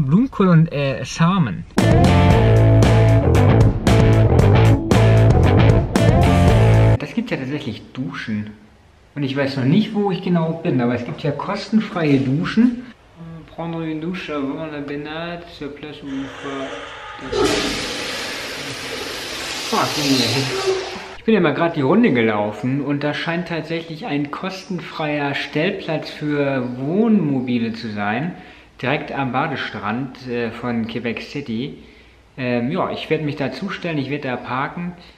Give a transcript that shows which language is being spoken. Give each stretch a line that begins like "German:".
German: Blumenkohl und Samen. Das gibt ja tatsächlich Duschen. Und ich weiß noch nicht, wo ich genau bin, aber es gibt ja kostenfreie Duschen.
French: Prendre une douche avant la baignade, sur place ou pas.
German: fuck, nee. Ich bin ja mal gerade die Runde gelaufen und da scheint tatsächlich ein kostenfreier Stellplatz für Wohnmobile zu sein. Direkt am Badestrand von Quebec City. Ja, ich werde mich da zustellen, ich werde da parken.